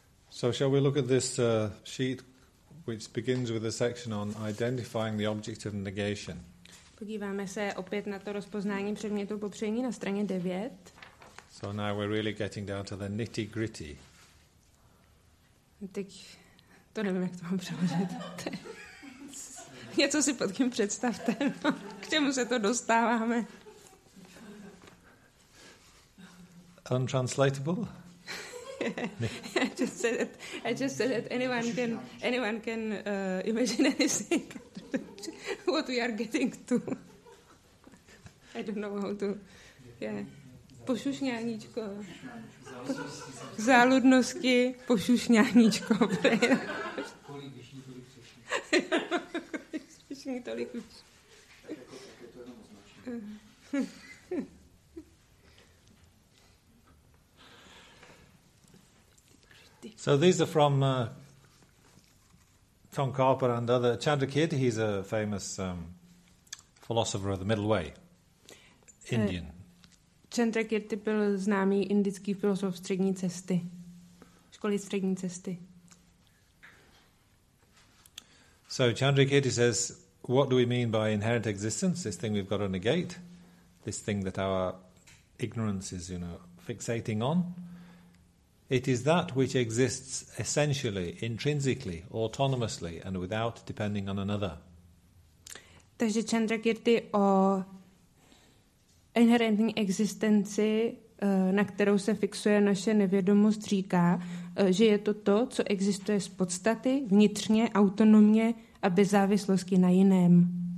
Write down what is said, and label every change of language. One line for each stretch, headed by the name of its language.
English: So shall we look at this sheet, which begins with a section on identifying the object of negation.
Czech: Podíváme se opět na to rozpoznání předmětu popření na straně 9.
English: So now we're really getting down to the nitty-gritty.
Czech: Teď to nevím, jak to mám přeložit. Něco si pod tím představte, no, k čemu se to dostáváme.
English: Untranslatable? I just said that anyone can imagine anything what we are getting to. I don't know how to. Yeah.
Czech: Pošušňáníčko. Záludnosti, pošušňáníčko. Pošušňáníčko. Tolik už.
English: So these are from Tom Carper and other Chandrakirti. He's a famous philosopher of the Middle Way, Indian.
Czech: Chandrakirti byl známý indický filozof střední cesty, školy střední cesty.
English: So Chandrakirti says, what do we mean by inherent existence? This thing we've got to negate, this thing that our ignorance is, you know, fixating on. It is that which exists essentially, intrinsically, autonomously and without depending on another.
Czech: Takže Chandrakirti o inherentní existenci, na kterou se fixuje naše nevědomost, říká, že je to to, co existuje z podstaty, vnitřně, autonomně a bez závislosti na jiném.